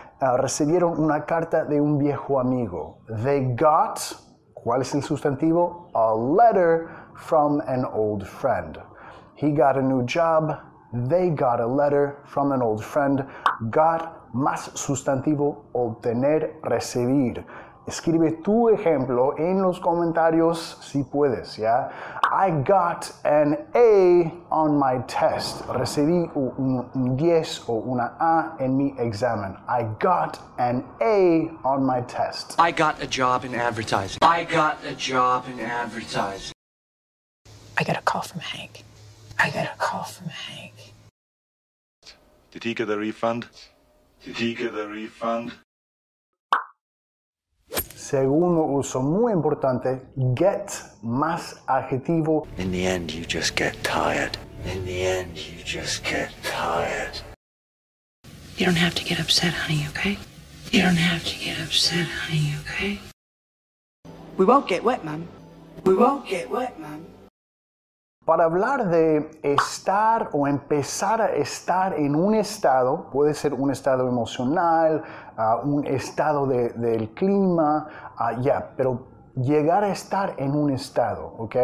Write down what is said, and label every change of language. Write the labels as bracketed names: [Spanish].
[Spanish] Recibieron una carta de un viejo amigo. [English] They got, [Spanish] ¿cuál es el sustantivo? [English] A letter from an old friend. He got a new job. They got a letter from an old friend. [Spanish] Got más sustantivo, obtener, recibir. Escribe tu ejemplo en los comentarios si puedes, ¿ya? [English] I got an A on my test. [Spanish] Recibí un 10 o una A en mi examen. [English] I got an A on my test. I got a job in advertising. I got a job in advertising. I got a call from Hank. I got a call from Hank. Did he get a refund? Did he get a refund? [Spanish] Segundo uso muy importante, get más adjetivo. [English] In the end, you just get tired. In the end, you just get tired. You don't have to get upset, honey, okay? You don't have to get upset, honey, okay? We won't get wet, Mom. We won't get wet, Mom. [Spanish] Para hablar de estar o empezar a estar en un estado, puede ser un estado emocional, un estado del clima, pero llegar a estar en un estado, ¿ok?